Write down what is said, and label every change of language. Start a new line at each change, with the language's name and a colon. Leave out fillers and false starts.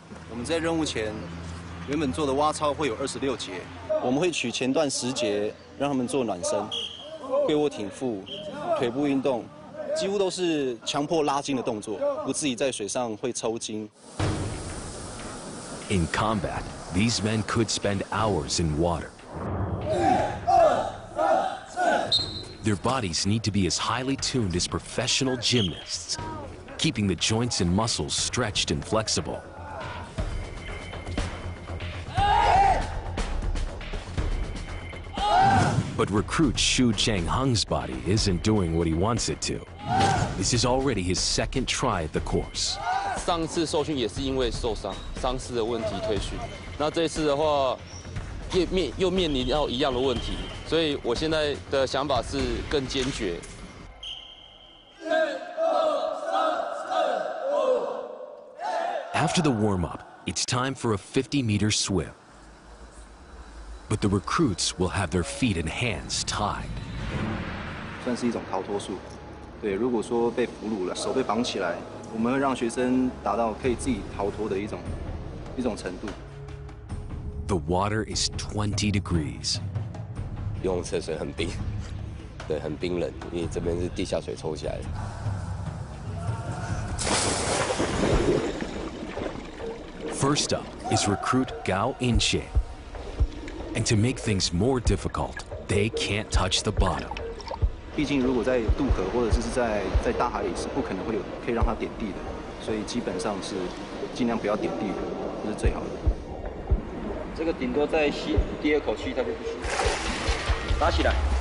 Chinese: 我们在任务前原本做的蛙操会有26节，我们会取前段10节让他们做暖身、跪卧挺腹、腿部运动，几乎都是强迫拉筋的动作，不自己在水上会抽筋。
English: In combat, these men could spend hours in water. 1, 2, 3, 4. Their bodies need to be as highly tuned as professional gymnasts, keeping the joints and muscles stretched and flexible. But recruit Xu Changhong's body isn't doing what he wants it to. This is already his second try at the course.
Chinese: 上次受训也是因为受伤，伤势的问题退训。那这次的话，又面临到一样的问题，所以我现在的想法是更坚决。
English: After the warm-up, it's time for a 50-meter swim. But the recruits will have their feet and hands tied.
Chinese: 算是一种逃脱术。对，如果说被俘虏了，手被绑起来，我们会让学生达到可以自己逃脱的一种程度。
English: The water is 20 degrees.
Chinese: 游泳池水很冰，对，很冰冷，因为这边是地下水抽起来的。
English: First up is recruit Gao Inche. And to make things more difficult, they can't touch the bottom.
Chinese: 毕竟如果在渡河或者是在大海里是不可能会有可以让他点地的，所以基本上是尽量不要点地，这是最好的。这个顶多再吸第二口气，它就不行。打起来。